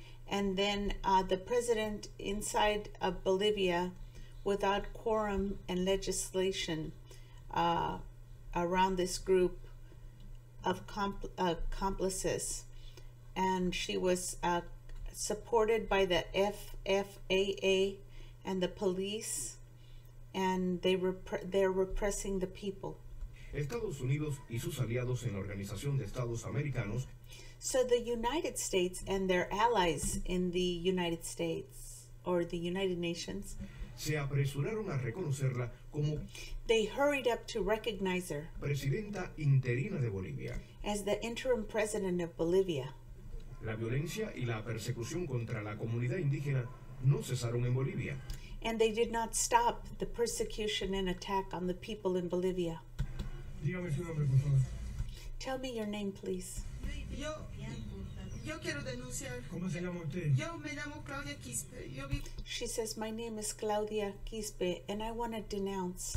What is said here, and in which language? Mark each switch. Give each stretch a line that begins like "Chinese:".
English: And then the president inside of Bolivia without quorum and legislation around this group of accomplices, and she was supported by the FFAA and the police, and they're repressing the people.
Spanish: Estados Unidos y sus aliados en la Organización de Estados Americanos.
English: So the United States and their allies in the United States or the United Nations.
Spanish: Se apresuraron a reconocerla como.
English: They hurried up to recognize her.
Spanish: Presidenta interina de Bolivia.
English: As the interim president of Bolivia.
Spanish: La violencia y la persecución contra la comunidad indígena no cesaron en Bolivia.
English: And they did not stop the persecution and attack on the people in Bolivia.
Spanish: Dígame su nombre, por favor.
English: Tell me your name, please.
Spanish: Yo quiero denunciar. ¿Cómo se llama usted? Yo me llamo Claudia Quispe.
English: She says, my name is Claudia Quispe, and I want to denounce.